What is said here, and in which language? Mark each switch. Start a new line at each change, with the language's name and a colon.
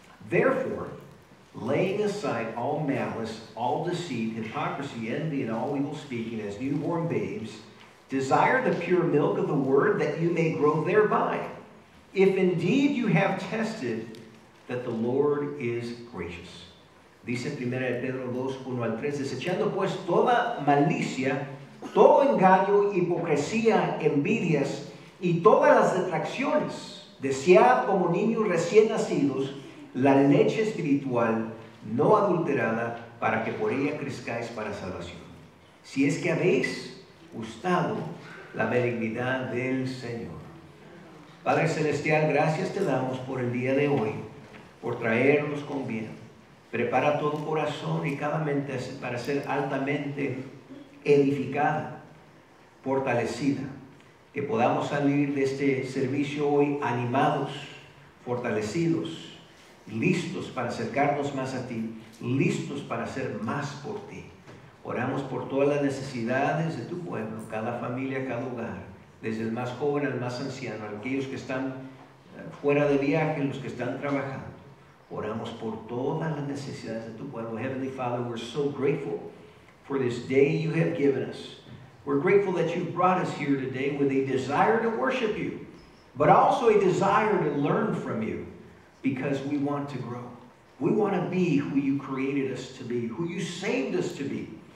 English: Therefore, laying aside all malice, all deceit, hypocrisy, envy, and all evil speaking as newborn babes, desire the pure milk of the word that you may grow thereby. If indeed you have tested that the Lord is gracious.
Spanish: Dice Primera de Pedro 2, 1 al 3. Desechando pues toda malicia, todo engaño, hipocresía, envidias y todas las detracciones. Desead como niños recién nacidos la leche espiritual no adulterada para que por ella crezcáis para salvación. Si es que habéis gustado la benignidad del Señor. Padre Celestial, gracias te damos por el día de hoy, por traernos con bien. Prepara todo corazón y cada mente para ser altamente edificada, fortalecida. Que podamos salir de este servicio hoy animados, fortalecidos, listos para acercarnos más a ti, listos para hacer más por ti. Oramos por todas las necesidades de tu pueblo, cada familia, cada hogar, desde el más joven al más anciano, aquellos que están fuera de viaje, los que están trabajando. Oramos por todas las necesidades de tu pueblo.
English: Heavenly Father, we're so grateful for this day you have given us. We're grateful that you brought us here today with a desire to worship you, but also a desire to learn from you, because we want to grow. We want to be who you created us to be, who you saved us to be.